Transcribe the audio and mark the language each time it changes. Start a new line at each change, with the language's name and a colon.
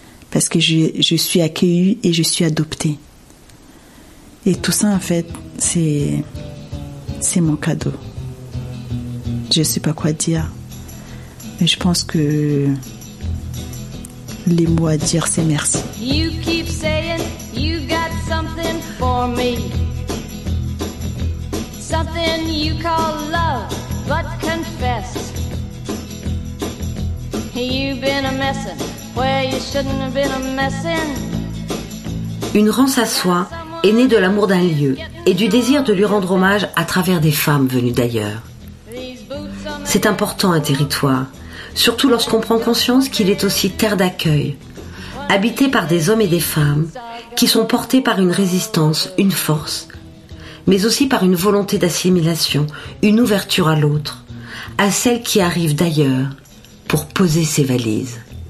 French: Parce que je suis accueillie et je suis adoptée. Et tout ça, en fait, c'est mon cadeau. Je ne sais pas quoi dire. Mais je pense que les mots à dire, c'est merci.
English: You keep saying you got something for me. Something you call love, but confess. You've been a messin' where you shouldn't have been a messin'.
French: Une rance à soi est née de l'amour d'un lieu et du désir de lui rendre hommage à travers des femmes venues d'ailleurs. C'est important un territoire, surtout lorsqu'on prend conscience qu'il est aussi terre d'accueil, habité par des hommes et des femmes qui sont portés par une résistance, une force, mais aussi par une volonté d'assimilation, une ouverture à l'autre, à celle qui arrive d'ailleurs pour poser ses valises.